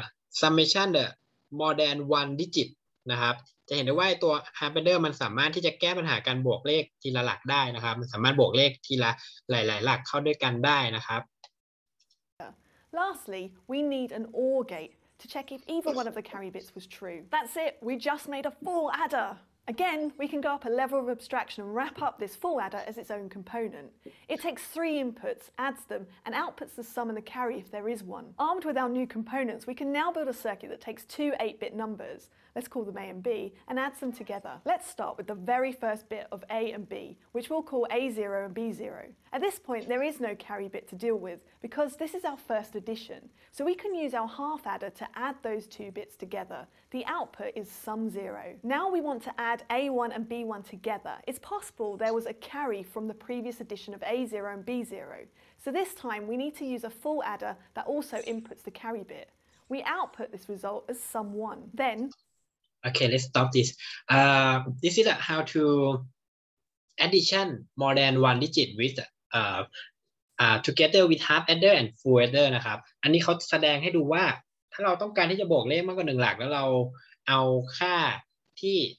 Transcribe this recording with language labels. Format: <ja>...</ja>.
<en>summation the more than one digit</en> <th>นะครับจะเห็นได้ว่าตัว half adder มันสามารถที่จะแก้ปัญหาการบวกเลขทีละหลักได้นะครับมันสามารถบวกเลขทีละหลายๆหลักเข้าด้วยกันได้นะครับ</th> <en>Lastly we need an OR gate to check if either one of the carry bits was true That's it we just made a full adder Again we can go up a level of abstraction and wrap up this full adder as its own component It takes 3 inputs adds them and outputs the sum and the carry if there is one Armed with our new components we can now build a circuit that takes 2 8-bit numbers let's call them A and B and adds them together Let's start with the very first bit of A and B which we'll call A0 and B0 At this point there is no carry bit to deal with because this is our first addition so we can use our half adder to add those two bits together The output is sum 0 Now we want to add A1 and B1 together It's possible there was a carry from the previous addition of A0 and B0 So this time we need to use a full adder that also inputs the carry bit We output this result as sum 1 Then Okay, let's stop this. This is how to addition more than one digit with together with half adder and full adder</en> <th>นะครับอันนี้เขาแสดงให้ดูว่าถ้าเราต้องการที่จะบวกเลขมากกว่าหนึ่งหลักแล้วเราเอาค่าที่</th>